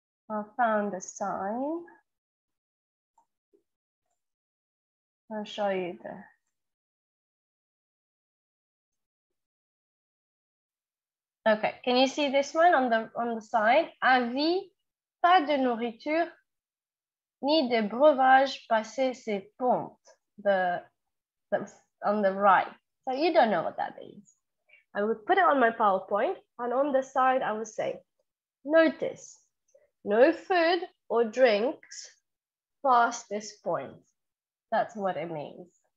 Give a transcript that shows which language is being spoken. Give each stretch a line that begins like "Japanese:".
English: I found a sign. I'll show you the. Okay, can you see this one on the side?
French: Avis, pas de nourriture, ni de breuvage passé ces pontes.
English: The on the right. So you don't know what that means. I would put it on my PowerPoint, and on the side I would say, notice. No food or drinks past this point. That's what it means.